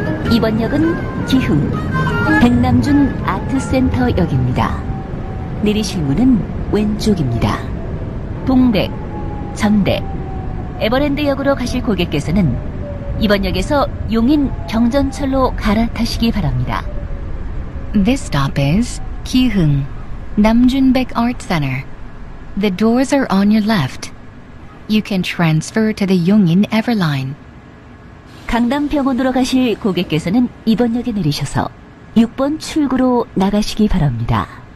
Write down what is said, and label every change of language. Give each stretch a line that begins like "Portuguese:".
Korean: 이번 역은 기흥, 백남준 아트센터 역입니다. 내리실 문은 왼쪽입니다. 동대, 전대, 에버랜드역으로 가실 고객께서는 이번 역에서 용인 경전철로 갈아타시기 바랍니다.
English: This stop is 기흥 남준백 Art Center. The doors are on your left. You can transfer to the Yongin Everline.
Korean: 강남병원으로 가실 고객께서는 이번 역에 내리셔서 6번 출구로 나가시기 바랍니다.